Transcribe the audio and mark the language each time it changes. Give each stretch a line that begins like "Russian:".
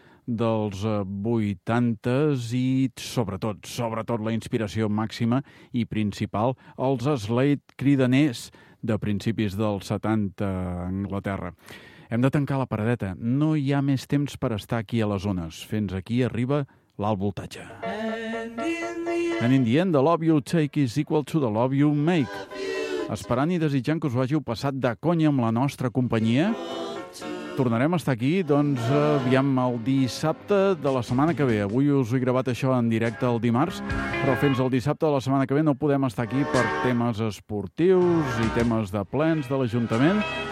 Catalan: dels 80s i, sobretot la inspiració màxima i principal, els Slade cridaners de principis dels 70 a Anglaterra. Hem de tancar la paradeta. No hi ha més temps per estar aquí a les zones. Fins aquí arriba l'alt voltatge.
English: In the end, the love you take is equal to the love you make.
Catalan: Esperant i desitjant que us ho hàgiu passat de conya amb la nostra companyia, tornarem a estar aquí, doncs, aviam, el dissabte de la setmana que ve. Avui us he gravat això en directe el dimarts, però fins al dissabte de la setmana que ve no podem estar aquí per temes esportius i temes de plens de l'Ajuntament.